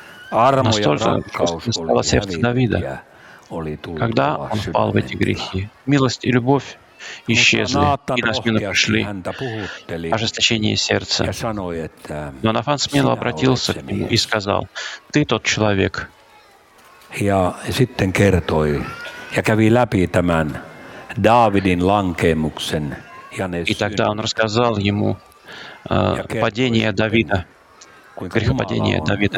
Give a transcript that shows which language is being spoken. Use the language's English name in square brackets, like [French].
[Russian] Настолько стало сердце Давида, когда он впал в эти грехи. Милость и любовь исчезли, и на смену пришли ожесточение сердца. Но Нафан смело обратился к нему и сказал: «Ты тот человек». [Finnish] Ja sitten kertoi ja kävi läpi tämän Daavidin lankemuksen ja ne synnit. [Russian] И тогда он рассказал ему падение Давида, грехопадение Давида.